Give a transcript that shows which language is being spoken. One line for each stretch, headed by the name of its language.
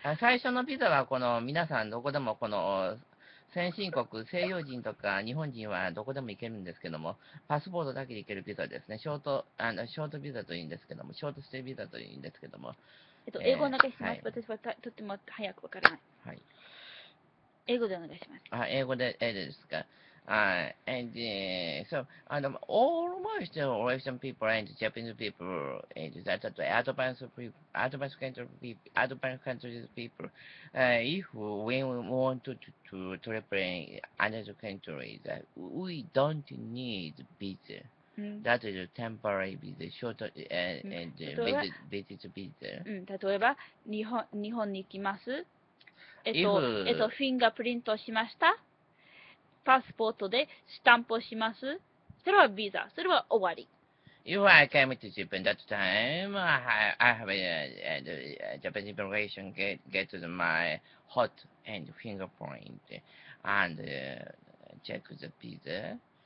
Japanese: 最初のビザは、この皆さん、どこでも、この先進国、西洋人とか日本人はどこでも行けるんですけども、パスポートだけで行けるビザですね。ショートビザというんですけども、ショートステイビザというんですけども。英語をお願いします。はい、私はとっても早くわからない。はい。英語でお願いします。あ、英語で、ですか。
English: And, so, almost Russian people and Japanese people, and that's the advanced countries people, if we want to travel in another country, that we don't need visa. That is a temporary visa, short, and visit visa.
Japanese: 例えば、日本に行きます。フィンガープリントしました。パスポートでスタンプをします。それはビザ。それは終わり。
English: If I came to Japan that time, I have a Japanese immigration get to my hot and fingerprint and check the visa.